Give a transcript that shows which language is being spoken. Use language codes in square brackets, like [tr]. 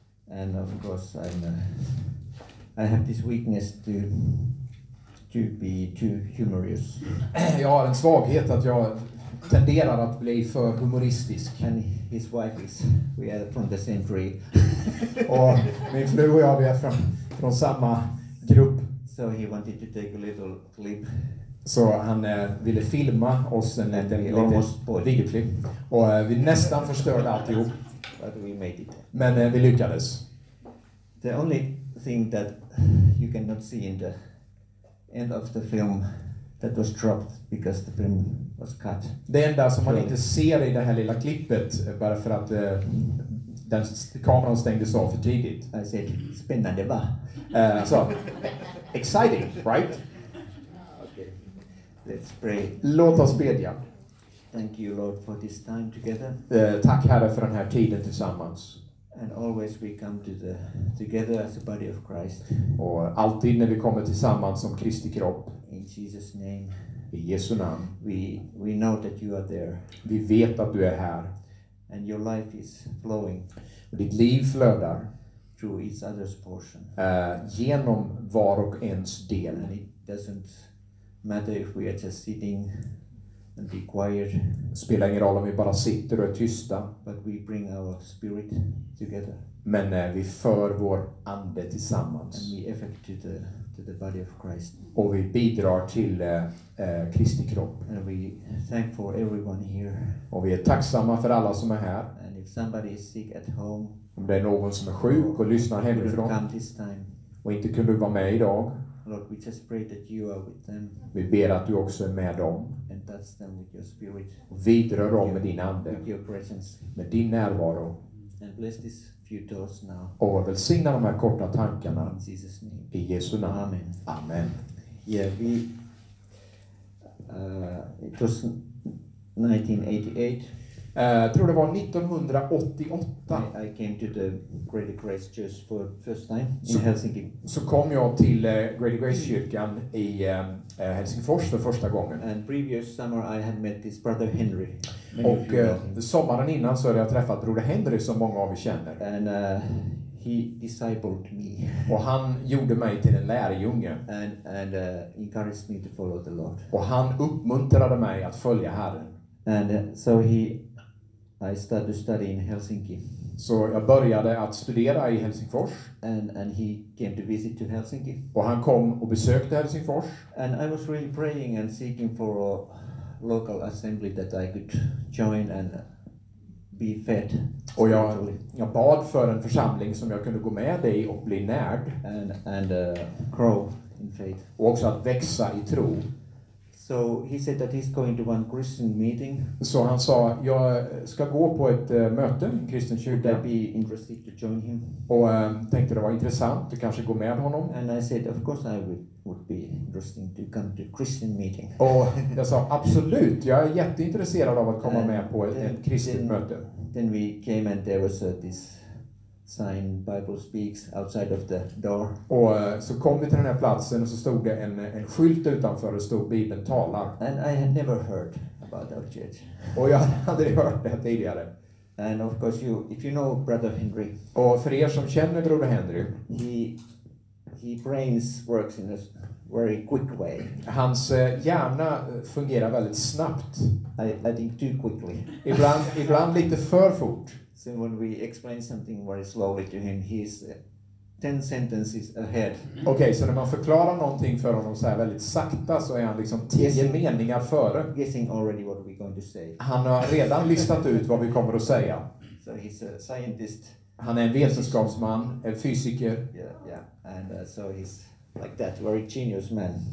[en] And of course I'm I have this weakness to be too humorous. [sv] Jag har en svaghet att jag tenderar att bli för humoristisk. [en] And his wife is, we are from the same tree. [sv] Och min fru och jag, vi är från samma grupp. [en] So he wanted to take a little clip. [sv] Så han ville filma oss en liten videoklipp. Och vi nästan förstörde alltihop. [en] But we made it. [sv] Men vi lyckades. [en] The only thing that you cannot see in the end of the film that was dropped because the film was cut. [sv] Det enda som man inte ser i det här lilla klippet bara för att den kameran stängdes av för tidigt. [en] I said, [sv] spännande va? [en] So, exciting, right? Let's pray. [sv] Låt oss bedja. [en] Thank you, Lord, for this time together. [sv] Tack Herre för den här tiden tillsammans. [en] And always we come to the together as the body of Christ. [sv] Och alltid när vi kommer tillsammans som Kristi kropp. [en] In Jesus name. [sv] I Jesu namn. [en] We know that you are there. [sv] Vi vet att du är här. [en] And your life is flowing. [sv] Och ditt liv flödar. [en] Through each other's portion. [sv] Genom var och ens del. [en] And it doesn't matter if we are just sitting and be quiet. [sv] Spelar ingen roll om vi bara sitter och är tysta. [en] But we bring our spirit together. [sv] Men vi för vår ande tillsammans. [en] And we effect to the body of Christ. [sv] Och vi bidrar till Kristi kropp. [en] And we thank for everyone here. [sv] Och vi är tacksamma för alla som är här. [en] And if somebody is sick at home. [sv] Om det är någon som är sjuk och lyssnar hemifrån. [en] Come this time. [sv] Och inte kunde vara med idag. [en] Lord, we just pray that you are with them. [sv] Vi ber att du också är med dem. [en] And touch them with your spirit. [sv] Vidrör dem med din ande. [en] With your presence. [sv] Med din närvaro. [en] And bless these few thoughts now. [sv] Och välsigna de här korta tankarna. [en] In Jesus name. [sv] I Jesu namn. [en] Amen. [sv] Amen. [en] Yeah, we. It was 1988. [sv] Tror det var 1988. [en] I came to the Great Grace Church for first time in Helsinki. [sv] Så kom jag till Great Grace kyrkan i Helsingfors för första gången. [en] And previous summer I had met this brother Henry. [sv] Och sommaren innan så hade jag träffat broder Henry som många av er känner. [en] And he discipled me. [sv] Och han gjorde mig till en lärjunge. [en] And encouraged me to follow the Lord. [sv] Och han uppmuntrade mig att följa Herren. [en] And so he I started to study in Helsinki. [sv] Så jag började att studera i Helsingfors. [en] And he came to visit to Helsinki. [sv] Och han kom och besökte Helsingfors. [en] And I was really praying and seeking for a local assembly that I could join and be fed. [sv] Och jag bad för en församling som jag kunde gå med i och bli närd. [en] And grow in faith. [sv] Och också att växa i tro. [en] So he said that he's going to one Christian meeting. [sv] Så han sa jag ska gå på ett möte i kristen kyrka. [en] Would I be interested to join him? [sv] Och tänkte det var intressant att kanske gå med honom. [en] And I said of course I would be interested to come to Christian meeting. [sv] Och jag sa absolut, jag är jätteintresserad av att komma med på ett kristet möte. [en] Then we came and there was this sign Bible speaks outside of the door. [sv] Och så kom vi till den här platsen och så stod det en skylt utanför och stod Bibeln talar. [en] And I had never heard about that church. [sv] Och jag hade aldrig hört det tidigare. [en] And of course you if you know brother Henry. [sv] Och för er som känner broder Henry, [en] he brains works in a very quick way. [sv] Hans hjärna fungerar väldigt snabbt. [en] I think too quickly. [sv] Ibland lite för fort. [en] So when we explain something very slowly to him, he's 10 sentences ahead. [sv] Okay, så när man förklarar någonting för honom så här väldigt sakta så är han liksom 10 meningar före. [en] Guessing already what we're going to say. [sv] Han har redan listat ut vad vi kommer att säga. [en] So he's a scientist. [sv] Han är en vetenskapsman, en fysiker. [en] Yeah, yeah. And so he's like that, very genius man.